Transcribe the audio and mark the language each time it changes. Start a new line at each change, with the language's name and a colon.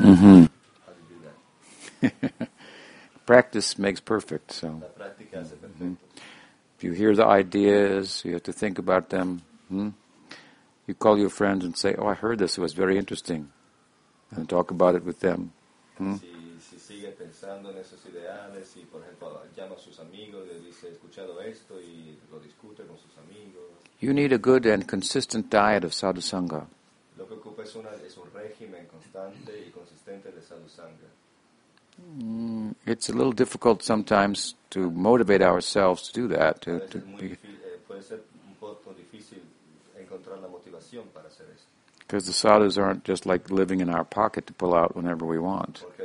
English: Mm-hmm. How do you do that? Practice makes perfect. So.
Spanish: La práctica hace perfecto.
English: If you hear the ideas, you have to think about them. You call your friend and say, "Oh, I heard this. It was very interesting." And talk about it with them.
Spanish: Si sigue pensando en esos ideales, si por ejemplo llama a sus amigos y le dice, he escuchado esto y lo discute con sus amigos.
English: You need a good and consistent diet of sadhusanga.
Spanish: Lo que ocupa es un régimen constante y consistente de sadhusanga.
English: It's a little difficult sometimes to motivate ourselves to do that. To be,
Spanish: puede ser un poco difícil encontrar la motivación para hacer esto.
English: Because the sadhus aren't just like living in our pocket to pull out whenever we want.